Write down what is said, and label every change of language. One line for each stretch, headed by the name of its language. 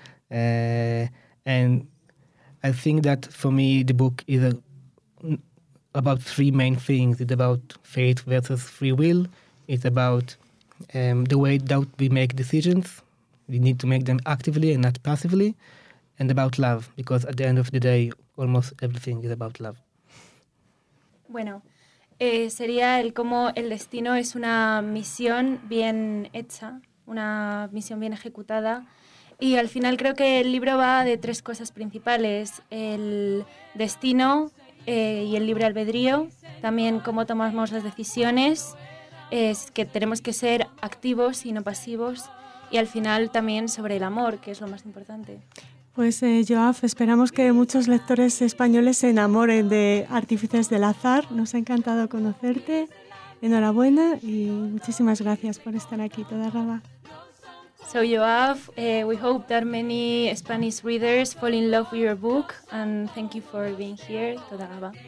English: And I think that for me the book is about three main things. It's about fate versus free will. It's about the way that we make decisions. We need to make them actively and not passively. And about love, because at the end of the day, almost everything is about love.
Spanish: Bueno, sería el cómo el destino es una misión bien hecha, una misión bien ejecutada. Y al final creo que el libro va de tres cosas principales. El destino, y el libre albedrío, también cómo tomamos las decisiones, es que tenemos que ser activos y no pasivos, y al final también sobre el amor, que es lo más importante. Pues Joaf, esperamos que muchos lectores españoles se enamoren de Artífices del Azar. Nos ha encantado conocerte, enhorabuena y muchísimas gracias por estar aquí,
Hebrew: toda Rava.
English: So Joaf, we hope that many Spanish readers fall in love with your book, and thank you for being here,
Hebrew: Toda Gaba.